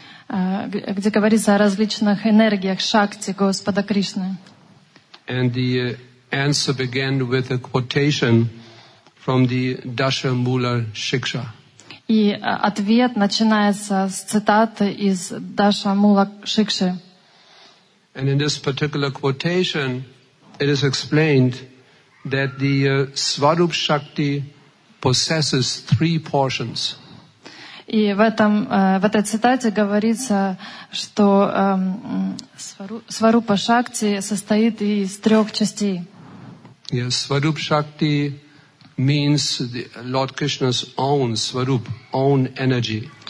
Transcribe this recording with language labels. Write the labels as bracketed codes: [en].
[ru] Где говорится о различных энергиях шакти Господа Кришны. [en] And the answer began with a quotation from the Dashamula Shiksha. [ru] И ответ начинается с цитаты из Дашамула Шикши. [en] And in this particular quotation, it is explained that the Svarup Shakti possesses three portions. [ru] И в этом в этой цитате говорится, что Сварупа Шакти состоит из трех частей. [en] Yes, Svarup Shakti means the Lord Krishna's own Svarup, own energy.